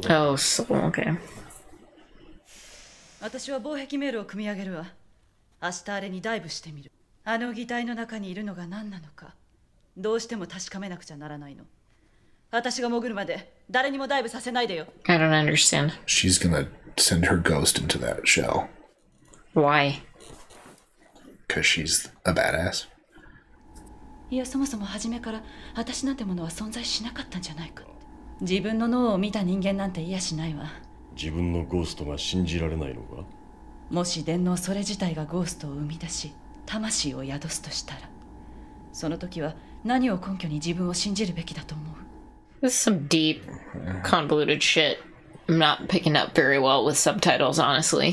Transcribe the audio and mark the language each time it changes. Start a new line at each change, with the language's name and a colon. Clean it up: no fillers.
English: だ。Oh, so, okay.
Japanese: 私は防壁メールを組み上げるわ。明日あれにダイブしてみる。あの擬態の中にいるのが何なのか、どうしても確かめなくちゃならないの。私が潜るまで誰にもダイブさせないでよ。
English: I don't understand. She's gonna send her ghost into that shell. Why? Because she's a badass.
Japanese: いや、そもそも初めから私なんてものは存在しなかったんじゃないか。自分の脳を見た人間なんていやしないわ。自分のゴーストが信じられないのか。もし電脳それ自体がゴーストを生み出し、魂を宿すとしたら、その時は何を根拠に自分を信じるべきだと思う。
English: This is some deep, convoluted shit. I'm not picking up very well with subtitles, honestly.